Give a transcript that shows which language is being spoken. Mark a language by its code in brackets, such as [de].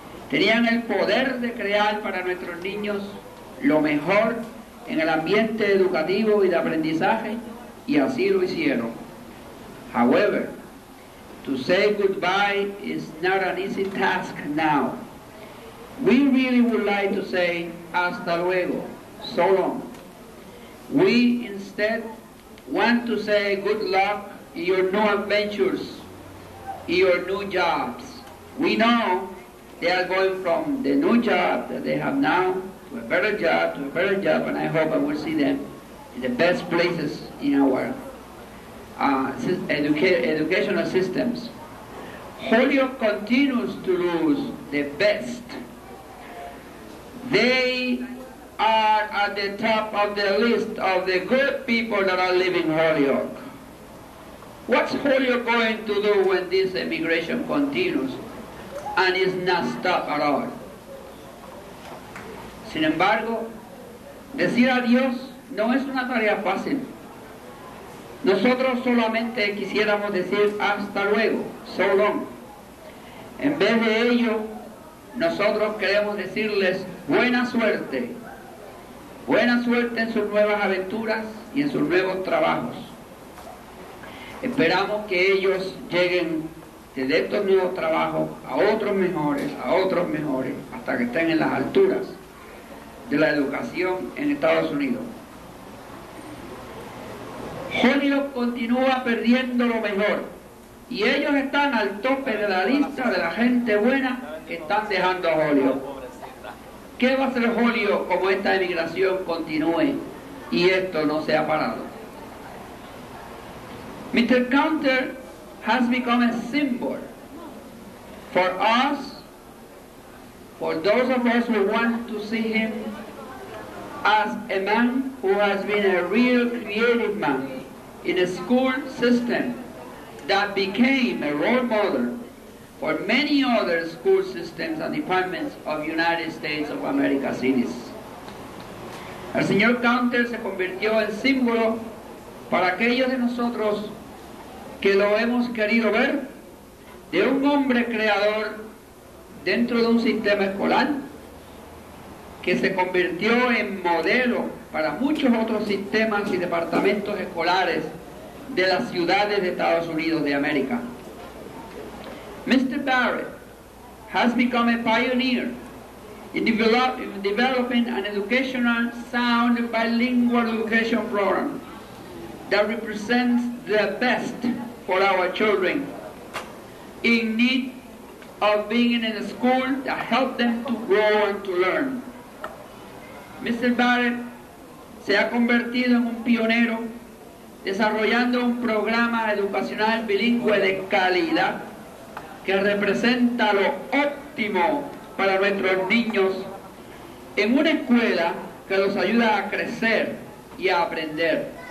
[es] Tenían el poder de crear para nuestros niños lo mejor en el ambiente educativo y de aprendizaje, y así lo hicieron. [en] However, to say goodbye is not an easy task now. We really would like to say [es] hasta luego, [en] so long. We instead want to say good luck in your new adventures, in your new jobs. We know they are going from the new job that they have now to a better job, and I hope I will see them in the best places in our educational systems. Holyoke continues to lose the best. They are at the top of the list of the good people that are living in Holyoke. What's Holyoke going to do when this emigration continues and is not stopped at all? [es] Sin embargo, decir adiós no es una tarea fácil. Nosotros solamente quisiéramos decir hasta luego, [en] so long. [es] En vez de ello, nosotros queremos decirles buena suerte en sus nuevas aventuras y en sus nuevos trabajos. Esperamos que ellos lleguen desde estos nuevos trabajos a otros mejores, hasta que estén en las alturas de la educación en Estados Unidos. Holyoke continúa perdiendo lo mejor, y ellos están al tope de la lista de la gente buena que están dejando a Holyoke. ¿Qué va a hacer Holyoke como esta emigración continúe y esto no se ha parado? [en] Mr. Cantor has become a symbol for us, for those of us who want to see him as a man who has been a real creative man in a school system that became a role model for many other school systems and departments of United States of America cities. [es] El señor Cantor se convirtió en símbolo para aquellos de nosotros que lo hemos querido ver, de un hombre creador dentro de un sistema escolar que se convirtió en modelo para muchos otros sistemas y departamentos escolares de las ciudades de Estados Unidos de América. [en] Mr. Barrett has become a pioneer in developing an educational sound bilingual education program that represents the best for our children in need of being in a school that helps them to grow and to learn. Mr. [es] Barrett se ha convertido en un pionero desarrollando un programa educacional bilingüe de calidad que representa lo óptimo para nuestros niños en una escuela que los ayuda a crecer y a aprender.